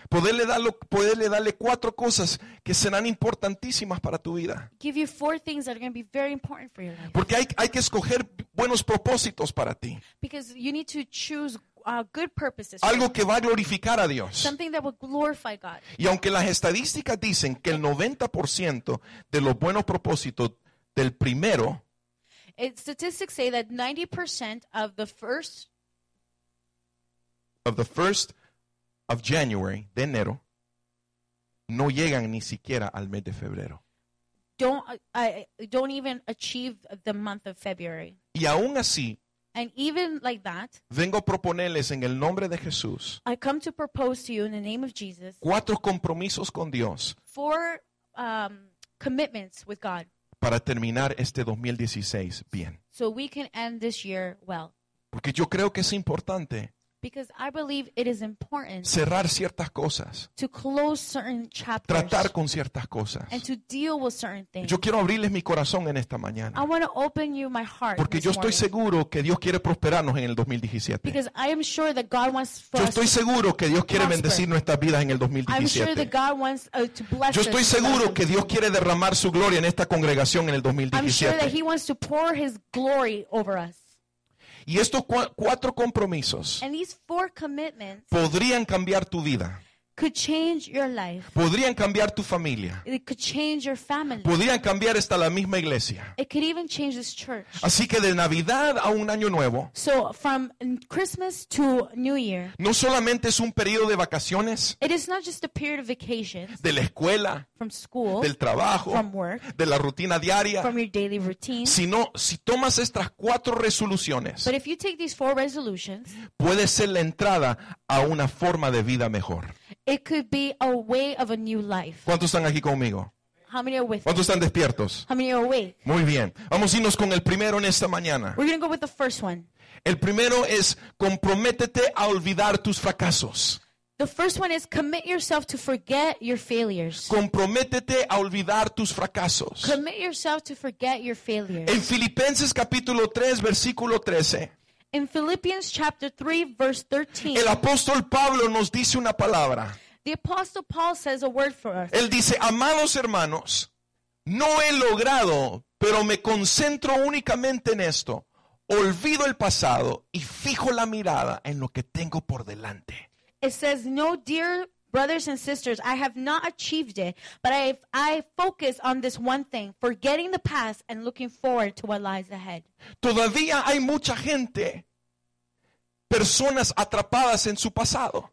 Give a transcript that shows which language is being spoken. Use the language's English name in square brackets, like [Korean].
[Spanish] poderle darle cuatro cosas que serán importantísimas para tu vida. [English] Give you four things that are going to be very important for your life. [Spanish] Porque hay que escoger buenos propósitos para ti. [English] Because you need to choose good purposes. [Spanish] Algo que va a glorificar a Dios. [English] Something that will glorify God. [Spanish] Y aunque las estadísticas dicen que el 90% de los buenos propósitos del primero, [English] statistics say that 90% of the first of January, [Spanish] de enero, no llegan ni siquiera al mes de febrero. [English] Don't even achieve the month of February. [Spanish] Y aún así, [English] and even like that, [Spanish] vengo a proponerles en el nombre de Jesús, [English] I come to propose to you in the name of Jesus, [Spanish] cuatro compromisos con Dios, [English] four commitments with God, [Spanish] para terminar este 2016 bien. [English] So we can end this year well. [Spanish] Porque yo creo que es importante. [English] Because I believe it is important, [Spanish] cerrar ciertas cosas, [English] to close certain chapters, [Spanish] tratar con ciertas cosas, [English] and to deal with certain things. [Spanish] Yo quiero abrirles mi corazón en esta mañana. [English] I want to open you my heart. [Spanish] Porque yo estoy seguro que Dios quiere prosperarnos en el 2017. [English] Because I am sure that God wants for us. [Spanish] Yo estoy seguro que Dios quiere bendecir nuestras vidas en el 2017. [English] I'm sure that God wants to bless us. [Spanish] Yo estoy seguro que Dios quiere derramar su gloria en esta congregación en el 2017. [English] I'm sure that He wants to pour His glory over us. [Spanish] Y estos cuatro compromisos podrían cambiar tu vida. [English] Could change your life. [Spanish] Podrían cambiar tu familia. [English] It could change your family. [Spanish] Podrían cambiar hasta la misma iglesia. [English] It could even change this church. [Spanish] Así que de Navidad a un año nuevo, [English] so from Christmas to New Year, [Spanish] no solamente es un periodo de vacaciones, [English] it is not just a period of vacations, [Spanish] de la escuela, [English] from school, [Spanish] del trabajo, [English] from work, [Spanish] de la rutina diaria, [English] from your daily routine, [Spanish] sino si tomas estas cuatro resoluciones, [English] but if you take these four resolutions, [Spanish] puede ser la entrada a una forma de vida mejor. [English] It could be a way of a new life. [Spanish] ¿Cuántos están aquí conmigo? [English] How many are with me? [Spanish] ¿Cuántos están despiertos? [English] How many are awake? [Spanish] Muy bien. Vamos a irnos con el primero en esta mañana. [English] We're going to go with the first one. [Spanish] El primero es comprométete a olvidar tus fracasos. [English] The first one is commit yourself to forget your failures. [Spanish] Comprométete a olvidar tus fracasos. [English] Commit yourself to forget your failures. [Spanish] En Filipenses capítulo 3, versículo 13. [English] In Philippians chapter 3, verse 13, [Spanish] el apóstol Pablo nos dice una palabra. [English] The apostle Paul says a word for us. [Spanish] Él dice, amados hermanos, no he logrado, pero me concentro únicamente en esto. Olvido el pasado y fijo la mirada en lo que tengo por delante. [English] It says, no, dear brothers and sisters, I have not achieved it, but I focus on this one thing, forgetting the past and looking forward to what lies ahead. [Spanish] Todavía hay mucha gente personas atrapadas en su pasado.